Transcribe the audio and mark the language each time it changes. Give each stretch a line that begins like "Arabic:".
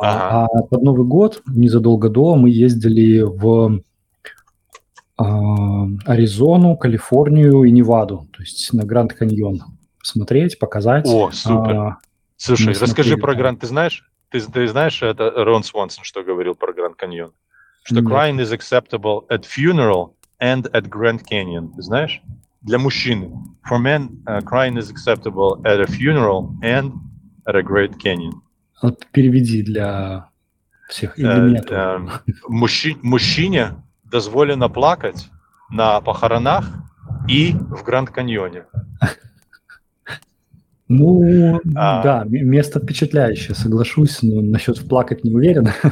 Russian: А под Новый год, незадолго до, мы ездили в Аризону, Калифорнию и Неваду, то есть на Гранд Каньон смотреть, показать. О, супер. Слушай, расскажи про Гранд, ты знаешь? Ты знаешь, это Рон Свонсон, что говорил про Гранд Каньон? Что
English: crying is acceptable at funeral, and at Grand Canyon,
Russian: знаешь? Для мужчины.
English: For men, crying is acceptable at a funeral and at a Grand Canyon.
Russian: Вот переведи для всех. Для меня мужчине дозволено плакать на похоронах и в Гранд Каньоне. Ну, да, место впечатляющее, соглашусь, но насчет плакать не уверен.